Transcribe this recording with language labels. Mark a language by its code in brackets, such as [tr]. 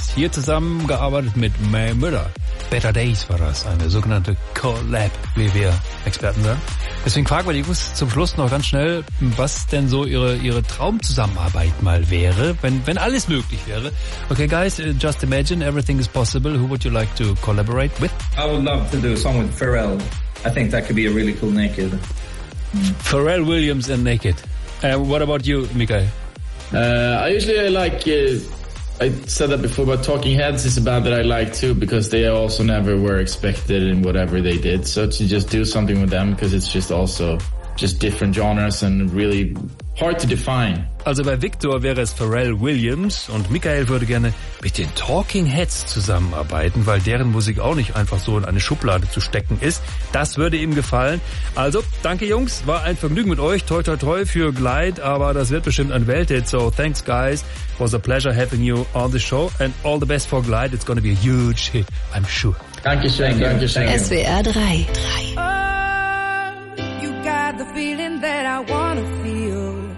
[de] Hier zusammengearbeitet mit May Müller. Better Days war das, eine sogenannte Collab, wie wir Experten sagen. Deswegen fragen wir die Jungs zum Schluss noch ganz schnell, was denn so ihre Traumzusammenarbeit mal wäre, wenn alles möglich wäre. [en] Okay, guys, just imagine everything is possible. Who would you like to collaborate with? I would love to do a song with Pharrell. I think that could be a really cool Naked. Pharrell Williams and Naked. What about you, Mikael? I usually like, I said that before, but Talking Heads is a band that I like too, because they also never were expected in whatever they did. So to just do something with them, because it's just also just different genres and really hard to define. [de] Also bei Victor wäre es Pharrell Williams und Mikael würde gerne mit den Talking Heads zusammenarbeiten, weil deren Musik auch nicht einfach so in eine Schublade zu stecken ist. Das würde ihm gefallen. Also, danke Jungs, war ein Vergnügen mit euch. Toi, toi, toi für Glide, aber das wird bestimmt ein Welthit. [en] So, thanks guys, was a pleasure having you on the show and all the best for Glide. It's gonna be a huge hit, I'm sure. [de] Dankeschön, dankeschön. SWR 3. [en] Oh, you got the feeling that I wanna feel.